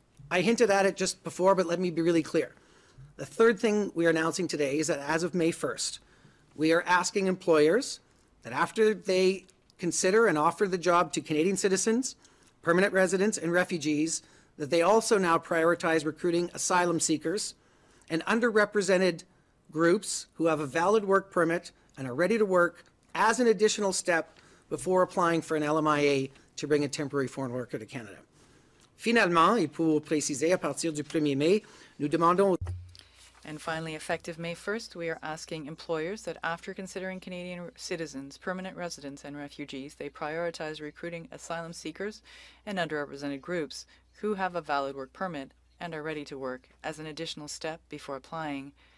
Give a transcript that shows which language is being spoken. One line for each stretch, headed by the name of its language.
English: I hinted at it just before, but let me be really clear. The third thing we are announcing today is that as of May 1st, we are asking employers that after they consider and offer the job to Canadian citizens, permanent residents, and refugees, that they also now prioritize recruiting asylum seekers and underrepresented groups who have a valid work permit and are ready to work as an additional step before applying for an LMIA to bring a temporary foreign worker to Canada.
French: Finalement, et pour préciser, à partir du 1er mai, nous demandons...
English: And finally, effective May 1st, we are asking employers that after considering Canadian citizens, permanent residents, and refugees, they prioritize recruiting asylum seekers and underrepresented groups who have a valid work permit and are ready to work as an additional step before applying